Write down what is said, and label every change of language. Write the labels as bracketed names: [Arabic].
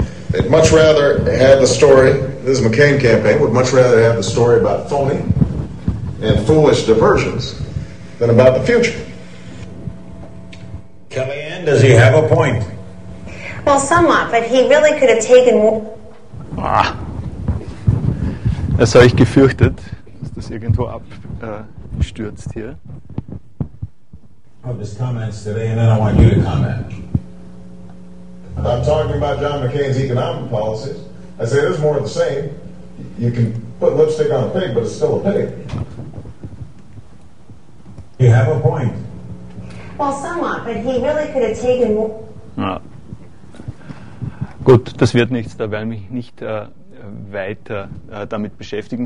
[English] They'd much rather have the story, this is McCain campaign, would much rather have the story about phony and foolish diversions than about the future. Kellyanne, does he have a point? Well, somewhat, but he really could have taken... [German] Das habe ich gefürchtet, dass das irgendwo abstürzt hier. [English] I have his comments today, and then I want you to comment. I'm talking about John McCain's economic policies. I say this is more of the same. You can put lipstick on a pig, but it's still a pig. You have a point. Well, somewhat, but he really could have taken more. [German] Gut, das wird nichts, da werden wir nicht weiter damit beschäftigen.